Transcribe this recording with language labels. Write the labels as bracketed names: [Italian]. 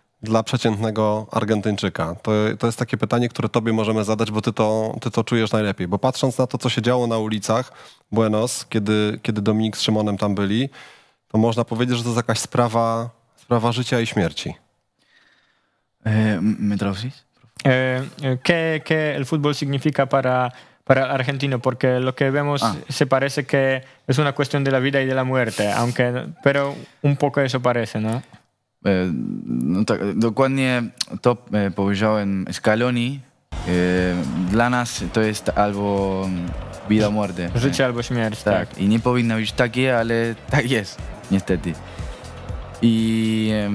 [Polish] dla przeciętnego Argentyńczyka? To jest takie pytanie, które tobie możemy zadać, bo ty to czujesz najlepiej. Bo patrząc na to, co się działo na ulicach Buenos, kiedy Dominik z Szymonem tam byli, to można powiedzieć, że to jest jakaś sprawa życia i śmierci. [Spanish] ¿Me traducís? ¿Qué el fútbol significa para el argentino? Porque lo que vemos se parece que es una cuestión de la vida y de la muerte, aunque, pero un poco eso parece, ¿no? [Polish] No tak, dokładnie to powiedziałem Scaloni. Dla nas to jest albo [Spanish] vida o muerte. [Polish] Życie albo śmierć, tak. I nie powinno być takie, ale tak jest, niestety. I...